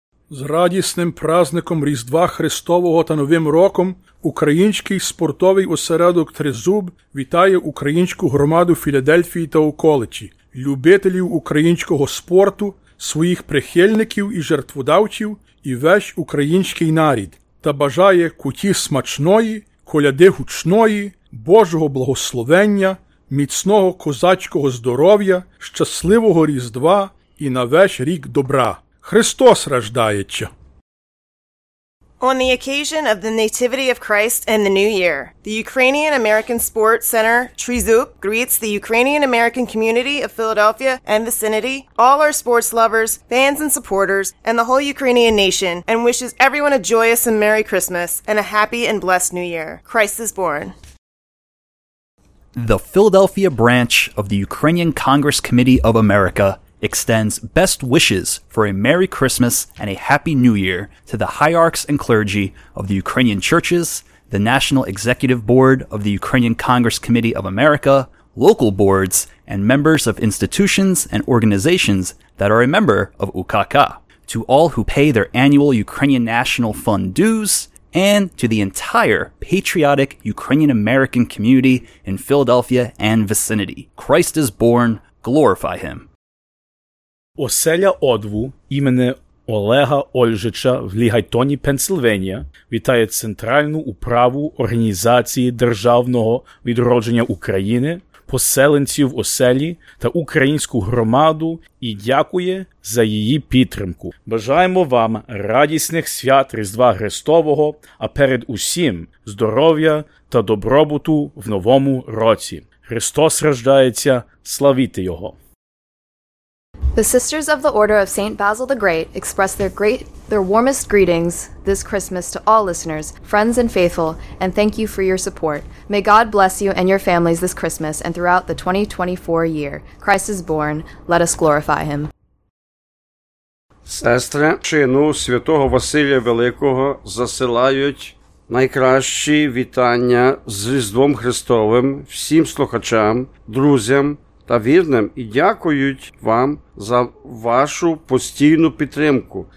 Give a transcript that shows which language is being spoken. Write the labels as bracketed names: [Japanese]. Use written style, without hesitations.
[Ukrainian] З радісним праздником Різдва Христового та Новим Роком український спортовий осередок «Тризуб» вітає українську громаду Філадельфії та околиці, любителів українського спорту, своїх прихильників і жертводавців і весь український нарід та бажає куті смачної, коляди гучної, Божого благословення, міцного козацького здоров'я, щасливого Різдва і на весь рік добра. Христос рождається. [English] On the occasion of the Nativity of Christ and the New Year, the Ukrainian American Sports Center, Trizub, greets the Ukrainian American community of Philadelphia and vicinity, all our sports lovers, fans and supporters, and the whole Ukrainian nation, and wishes everyone a joyous and merry Christmas and a happy and blessed New Year. Christ is born. The Philadelphia branch of the Ukrainian Congress Committee of America extends best wishes for a Merry Christmas and a Happy New Year to the hierarchs and clergy of the Ukrainian churches, the National Executive Board of the Ukrainian Congress Committee of America, local boards, and members of institutions and organizations that are a member of UKK, to all who pay their annual Ukrainian National Fund dues, and to the entire patriotic Ukrainian-American community in Philadelphia and vicinity. Christ is born. Glorify Him. [Ukrainian] Оселя Одву імені Олега Ольжича в Ліхайтоні, Пенсильванія, вітає Центральну управу Організації Державного відродження України, поселенців оселі та українську громаду і дякує за її підтримку. Бажаємо вам радісних свят Різдва Христового, а перед усім здоров'я та добробуту в новому році. Христос рождається, славіте Його! [English] The Sisters of the Order of St. Basil the Great express their warmest greetings this Christmas to all listeners, friends and faithful, and thank you for your support. May God bless you and your families this Christmas and throughout the 2024 year. Christ is born. Let us glorify Him. [Ukrainian] Сестри чину Святого Василія Великого засилають найкращі вітання з Різдвом Христовим всім слухачам, друзям та вірним і дякують вам за вашу постійну підтримку.